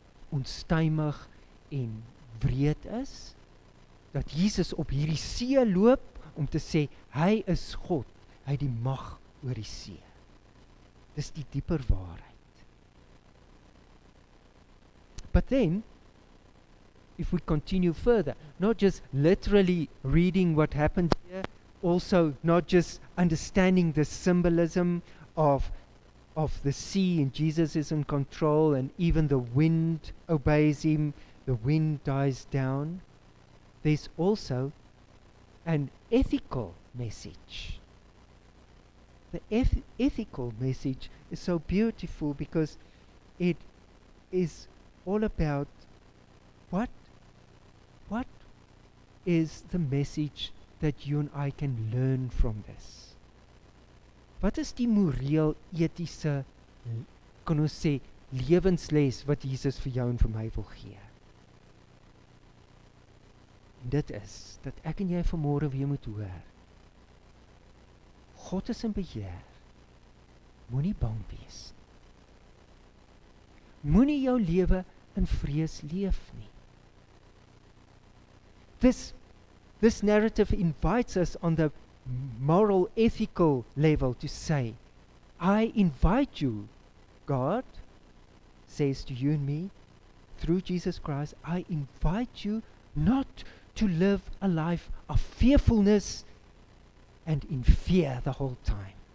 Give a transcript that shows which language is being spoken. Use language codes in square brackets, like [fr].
[af] onstuimig en wreed is, dat Jesus op hierdie see loop om te sê hy is God, hy het die mag oor die see. Dis die dieper waarheid. [en] But then if we continue further, not just literally reading what happened here, also not just understanding the symbolism of the sea and Jesus is in control and even the wind obeys him, the wind dies down, there's also an ethical message. The ethical message is so beautiful because it is all about what is the message that you and I can learn from this. [af] Wat is die moreel etiese, kan ons sê, lewensles wat Jesus vir jou en vir my wil gee? En dit is, dat ek en jy vanmôre weer moet hoor, God is in beheer, moenie bang wees. Moenie jou lewe in vrees leef nie. [en] This narrative invites us on the moral, ethical level to say, I invite you, God says to you and me, through Jesus Christ, I invite you not to live a life of fearfulness and in fear the whole time.